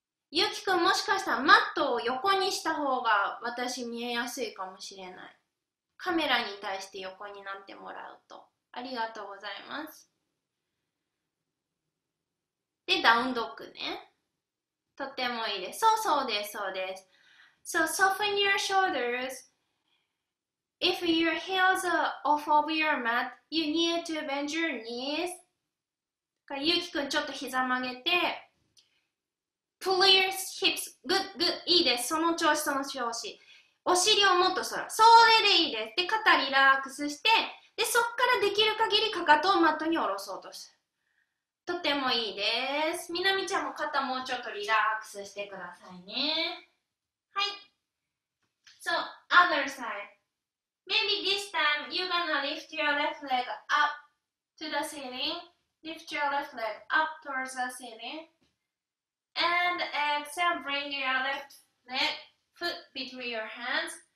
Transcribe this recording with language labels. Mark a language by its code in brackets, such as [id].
[ja] ゆきくんもしかしたらマットを横にした方が私見えやすいかもしれない。カメラに対して横になってもらうと。ありがとうございます。で、ダウンドッグね。とてもいいです。そうそうです、そうです。 [en] So, soften your shoulders. If your heels are off of your mat, you need to bend your knees. [ja] ゆきくんちょっと膝曲げて、 [en] Pull your hips. Good, good. [ja] いいです。その調子、その調子。お尻をもっと反る。それでいいです。で、肩リラックスして、で、そっからできる限りかかとをマットに下ろそうとする。とてもいいです。みなみちゃんも肩もうちょっとリラックスしてくださいね。 [en] はい。So, other side. Maybe this time you're gonna lift your left leg up to the ceiling. Lift your left leg up towards the ceiling. And exhale, bring your left leg, foot between your hands.